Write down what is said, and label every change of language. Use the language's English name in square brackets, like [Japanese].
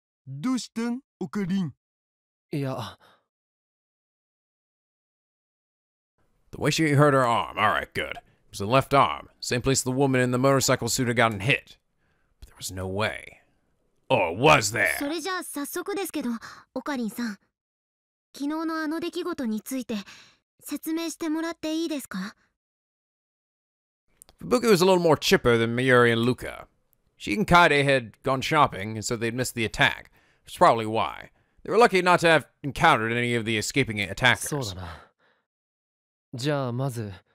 [Japanese] Doshitan, Okarin? [English] Yeah. The way she hurt her arm. Alright, good. It was the left arm. Same place the woman in the motorcycle suit had gotten hit. But there was no way. Or was there? [Japanese] それじゃあ早速ですけど、オカリンさん。昨日のあの出来事について説明してもらっていいですか？ [English] Fubuki was a little more chipper than Miyuri and Luca. She and Kaede had gone shopping, and so they'd missed the attack. That's probably why. They were lucky not to have encountered any of the escaping attackers. [Japanese] そうだな。じゃあまず…